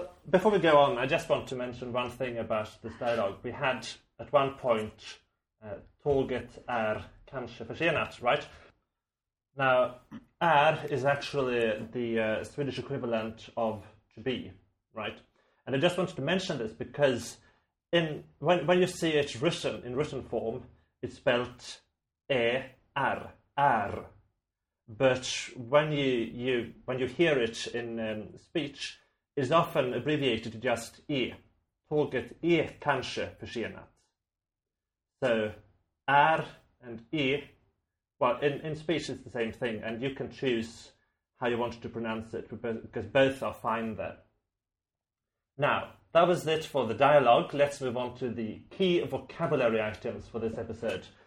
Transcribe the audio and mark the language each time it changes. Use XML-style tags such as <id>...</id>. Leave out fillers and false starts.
<en>Before we go on, I just want to mention one thing about this dialogue. We had, at one point, tåget är kanske försenat, right? Now, är is actually the Swedish equivalent of to be, right? And I just wanted to mention this because when you see it written, in written form, it's spelt är, är. But when you hear it in speech, it's often abbreviated to just är.</en> <sv>Tåget är kanske försenat.</sv> <en>So, är and är. Well, in speech it's the same thing, and you can choose how you want to pronounce it, because both are fine there. Now, that was it for the dialogue. Let's move on to the key vocabulary items for this episode.</en>